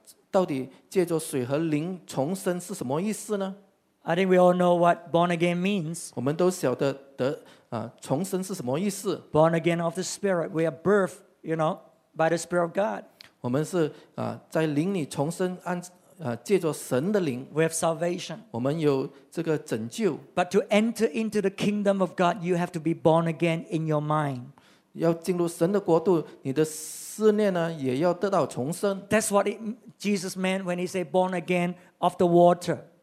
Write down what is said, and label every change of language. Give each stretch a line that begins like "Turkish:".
Chinese: 到底借着水和灵重生是什么意思呢？
English: I think we all know what born again means.
Chinese: 我们都晓得重生是什么意思。
English: Born again of the spirit, we are birthed, you know, by the spirit of God.
Chinese: 我们是在灵里重生，借着神的灵
English: we have salvation.
Chinese: 我们有这个拯救
English: But to enter into the kingdom of God, you have to be born again in your mind.
Chinese: 要进入神的国度，你的思念呢，也要得到重生。
English: That's what Jesus meant when he said born again of the water.